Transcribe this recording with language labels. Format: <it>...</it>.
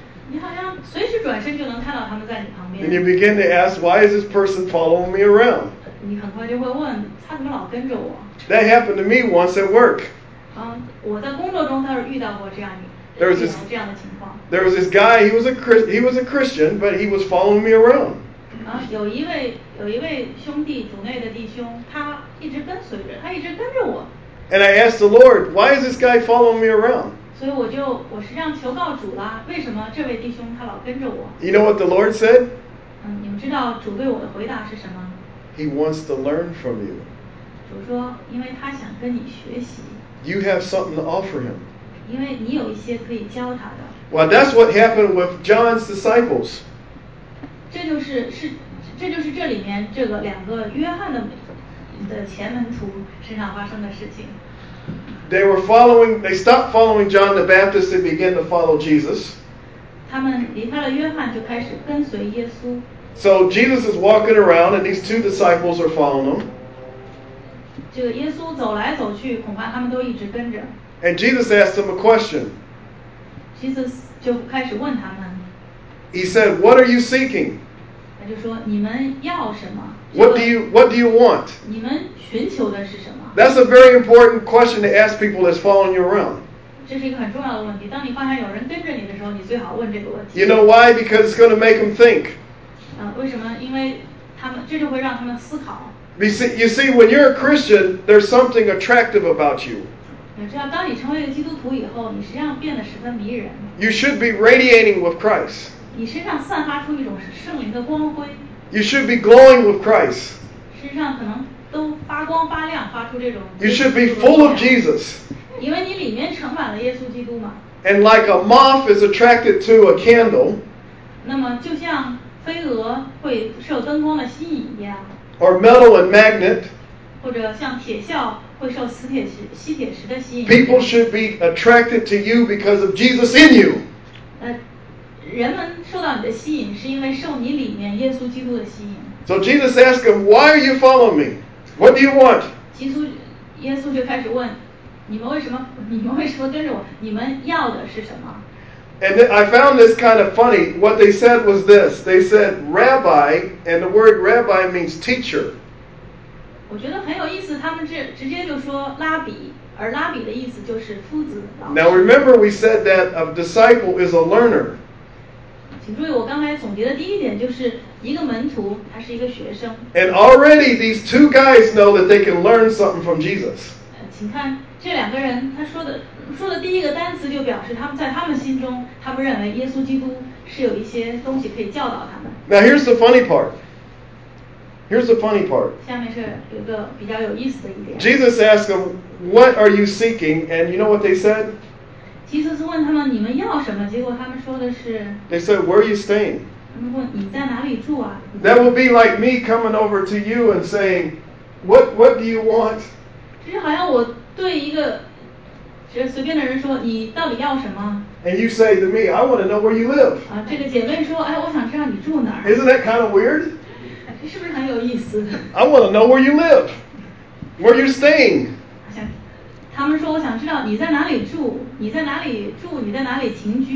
<zh>你好像随时转身就能看到他们在你旁边。</zh> <en>And you begin to ask, why is this person following me around?</en> <zh>你很快就会问，他怎么老跟着我？</zh> <en>That happened to me once at work.</en> <zh>我在工作中倒是遇到过这样一个。</zh> <en>There was this guy, he was a Christian, but he was following me around.</en> <zh>有一位兄弟，主内的弟兄，他一直跟随着，他一直跟着我。</zh> <en>And I asked the Lord, why is this guy following me around?</en> <zh>所以我实际上求告主了，为什么这位弟兄他老跟着我？</zh> <en>You know what the Lord said?</en> <zh>你们知道主对我的回答是什么？</zh> <en>He wants to learn from you.</en> <zh>主说，因为他想跟你学习。</zh> <en>You have something to offer him.</en> <zh>因为你有一些可以教他的。</zh> <en>Well, that's what happened with John's disciples.</en> <zh>这就是这里面这个两个约翰的前门徒身上发生的事情。</zh> <en>They stopped following John the Baptist and began to follow Jesus.</en> <zh>他们离开了约翰，就开始跟随耶稣。</zh> <en>So Jesus is walking around, and these two disciples are following him.</en> <zh>这个耶稣走来走去，恐怕他们都一直跟着。</zh> <en>And Jesus asked them a question.</en> <zh>Jesus 就开始问他们。</zh> <en>He said, "What are you seeking?"</en> <zh>他就说你们要什么。</zh> <en>What do you want?</en> <zh>你们寻求的是什么？</zh> <en>That's a very important question to ask people that's following you around.</en> <zh>这是一个很重要的问题。当你发现有人跟着你的时候，你最好问这个问题。</zh> <en>You know why? Because it's going to make them think.</en> <zh>为什么？因为他们这就会让他们思考。</zh> <en>You see, when you're a Christian, there's something attractive about you.</en> <zh>你知道，当你成为一个基督徒以后，你实际上变得十分迷人。</zh> <en>You should be radiating with Christ.</en> <zh>你身上散发出一种圣灵的光辉。</zh> <en>You should be glowing with Christ.</en> <zh>身上可能都发光发亮，发出这种。</zh> <en>You should be full of Jesus.</en> <zh>因为你里面盛满了耶稣基督嘛。</zh> <en>And like a moth is attracted to a candle.</en> <zh>那么就像飞蛾会受灯光的吸引一样。</zh> <en>Or metal and magnet.</en> <zh>或者像铁锈会受磁铁石、吸铁石的吸引。</zh> <en>People should be attracted to you because of Jesus in you.</en> <zh>人们受到你的吸引，是因为受你里面耶稣基督的吸引。</zh> <en>So Jesus asked him, "Why are you following me? What do you want?"</en> <zh>耶稣就开始问，你们为什么跟着我？你们要的是什么？</zh> <en>And I found this kind of funny. What they said was this. They said, "Rabbi," and the word "Rabbi" means teacher.</en> <zh>我觉得很有意思，他们直接就说拉比，而拉比的意思就是夫子。</zh> <en>Now remember, we said that a disciple is a learner.</en> <zh>请注意，我刚才总结的第一点就是一个门徒，他是一个学生。</zh> <en>And already these two guys know that they can learn something from Jesus.</en> <zh>请看这两个人，他说的第一个单词就表示他们在他们心中，他们认为耶稣基督是有一些东西可以教导他们。</zh> <en>Now here's the funny part. Here's the funny part.</en> <zh>下面是有个比较有意思的一点。</zh> <en>Jesus asked them, "What are you seeking?" And you know what they said?</en> <zh>耶稣问他们你们要什么，结果他们说的是</zh> <en>They said, "Where are you staying?"</en> <zh>他们问你在哪里住啊。</zh> <en>That would be like me coming over to you and saying, what do you want?"</en> <zh>这是好像我对一个只随便的人说你到底要什么。</zh> <en>And you say to me, "I want to know where you live."</en> <zh>这个姐妹说我想知道你住哪儿。</zh> <en>Isn't that kind of weird?</en> <zh>这是不是很有意思？</zh> <en>I want to know where you live. Where you're staying.</en> <zh>他们说我想知道你在哪里住，你在哪里住，你在哪里停居。</zh>